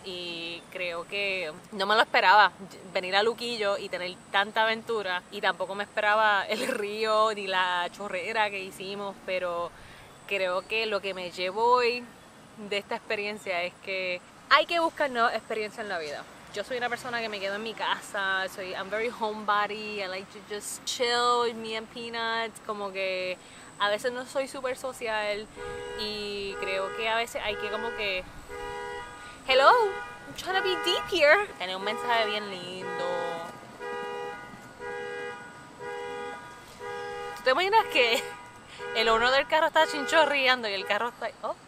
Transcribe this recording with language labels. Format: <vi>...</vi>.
<es>Y creo que no me lo esperaba venir a Luquillo y tener tanta aventura. Y tampoco me esperaba el río ni la chorrera que hicimos. Pero creo que lo que me llevo hoy de esta experiencia es que hay que buscar nuevas experiencias en la vida. Yo soy una persona que me quedo en mi casa.</es> <en>I'm very homebody. I like to just chill, me and peanuts.</en> <es>Como que a veces no soy super social. Y creo que a veces hay que como que,</es> <en>hello, I'm trying to be deep here.</en> <es>Tiene un mensaje bien lindo. ¿Tú te imaginas que el owner del carro está chinchorriando y el carro está, oh?</es>